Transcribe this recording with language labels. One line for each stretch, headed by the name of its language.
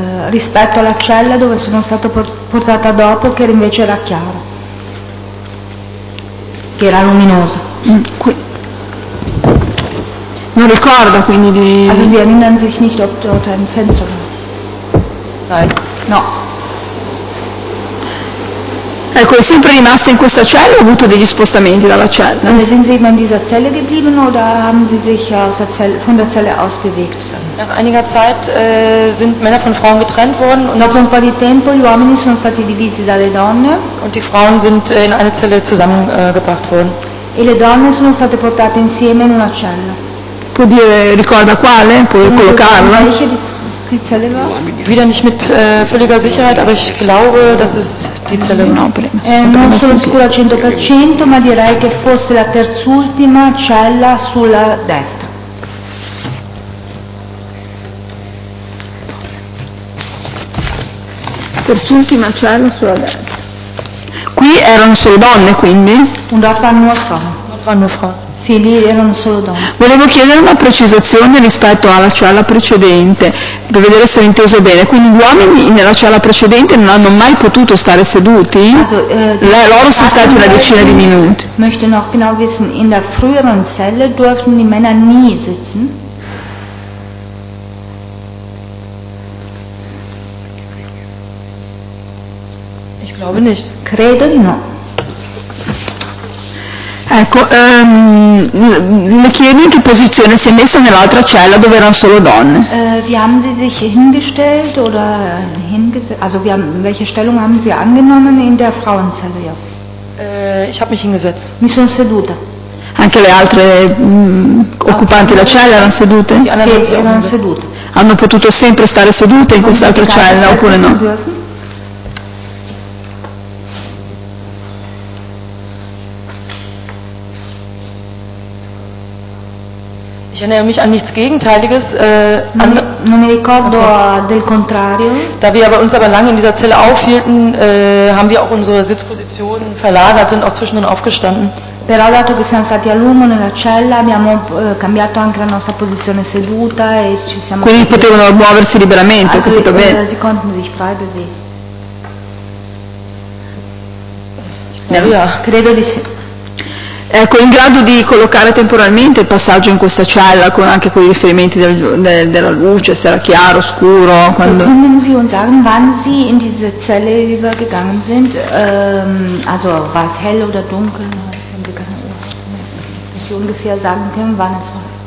Italian: Rispetto alla cella dove sono stato portata dopo, che invece era chiara, che era luminosa. Non ricorda quindi di.
German: Also sie erinnern sich nicht, ob dort ein Fenster war. Nein.
Italian: No. Ecco, è sempre rimasta in questa cella o ha avuto degli spostamenti dalla cella?
German: Ne sind sie in dieser Zelle geblieben oder haben sie sich aus der Zelle, von der Zelle aus bewegt? Nach einiger Zeit sind Männer von Frauen getrennt worden.
Italian: Dopo un po' di tempo gli uomini sono stati divisi dalle donne.
German: Und die Frauen sind in eine Zelle zusammengebracht worden.
Italian: E le donne sono state portate insieme in una cella. Può dire, ricorda quale? Può collocarla?
German: Die Zelle war? Wieder nicht mit völliger Sicherheit, aber ich glaube, dass es die Zelle war.
Italian: Non sono sicura al 100%, ma direi che fosse la terz'ultima cella sulla destra. Terz'ultima cella sulla destra. Qui erano solo donne, quindi?
German: Und dort waren nur Frauen.
Italian: Sì, lì erano solo donne. Volevo chiedere una precisazione rispetto alla cella precedente, per vedere se ho inteso bene. Quindi gli uomini nella cella precedente non hanno mai potuto stare seduti?
German: Also,
Italian: loro sono stati una decina di minuti.
German: Möchte noch genau wissen, in der früheren Zelle durften die Männer nie sitzen? Ich glaube nicht.
Italian: Credo di no. Ecco, le chiedo in che posizione si è messa nell'altra cella dove erano solo donne.
German: Wie haben Sie sich hingestellt oder hingesetzt? Also wie haben, welche Stellung haben Sie angenommen in der Frauenzelle? Ja. Ich habe mich hingesetzt.
Italian: Mi sono seduta. Anche le altre occupanti della cella erano sedute? Sì, erano sedute. Hanno potuto sempre stare sedute in quest'altra cella oppure no?
German: Ich erinnere mich an nichts Gegenteiliges.
Italian: Non mi ricordo del contrario.
German: Da wir aber uns aber lange in dieser Zelle aufhielten, haben wir auch unsere Sitzposition verlagert, sind auch zwischendrin aufgestanden.
Italian: Però dato che siamo stati a lungo nella cella, abbiamo cambiato anche la nostra posizione seduta e ci siamo. Quindi potevano muoversi liberamente,
German: also,
Italian: tutto bene.
German: Sie konnten sich frei bewegen. Ja.
Italian: Credo di sì. Ecco, in grado di collocare temporalmente il passaggio in questa cella con anche quei riferimenti della luce, se era chiaro, scuro, quando.
German: Können Sie uns sagen, wann Sie in diese Zelle übergegangen sind? Also war es hell oder dunkel? Wenn Sie ungefähr sagen können, wann es war.